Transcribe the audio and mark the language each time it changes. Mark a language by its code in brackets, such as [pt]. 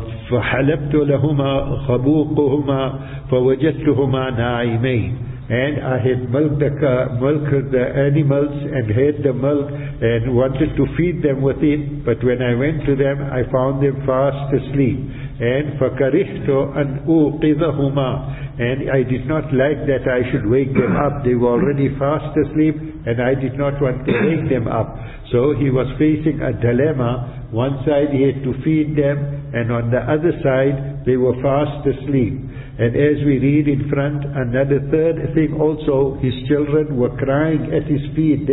[ar] فَحَلَبْتُ لَهُمَا خَبُوقُهُمَا فَوَجَدْتُهُمَا نَائِمَيْنَ. [en] And I had milked the animals and had the milk and wanted to feed them with it, but when I went to them, I found them fast asleep. And [ar] فَكَرِهْتُ أَنْ أُوْقِذَهُمَا. [en] And I did not like that I should wake them up. They were already fast asleep, and I did not want to wake them up. So he was facing a dilemma. One side he had to feed them, and on the other side they were fast asleep. And as we read in front, another third thing also, his children were crying at his feet.